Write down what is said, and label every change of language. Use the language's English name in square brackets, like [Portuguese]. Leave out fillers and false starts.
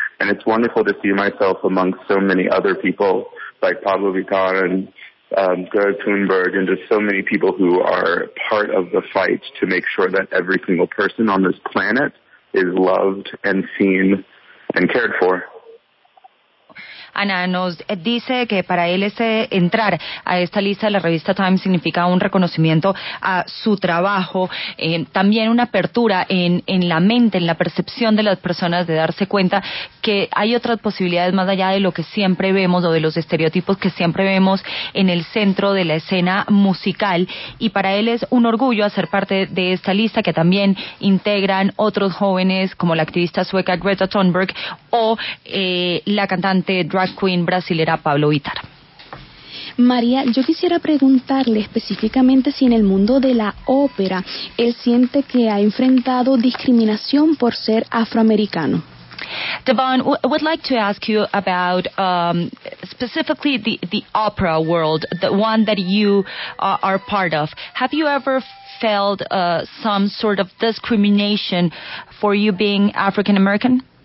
[English] And it's wonderful to see myself amongst so many other people like Pablo Vittar and Greta Thunberg and just so many people who are part of the fight to make sure that every single person on this planet is loved and seen and cared for. [Spanish] Ana nos dice que para él ese entrar a esta lista de la revista Time significa un reconocimiento a su trabajo, también una apertura en la mente, en la percepción de las personas, de darse cuenta que hay otras posibilidades más allá de lo que siempre vemos o de los estereotipos que siempre vemos en el centro de la escena musical. Y para él es un orgullo hacer parte de esta lista que también integran otros jóvenes como la activista sueca Greta Thunberg o la cantante drag queen brasilera Pablo Vittar. María, yo quisiera preguntarle específicamente si en el mundo de la ópera él siente que ha enfrentado discriminación por ser afroamericano. [English] Devon, I would like to ask you about specifically the opera world, the one that you are part of. Have you ever felt some sort of discrimination for you being African American?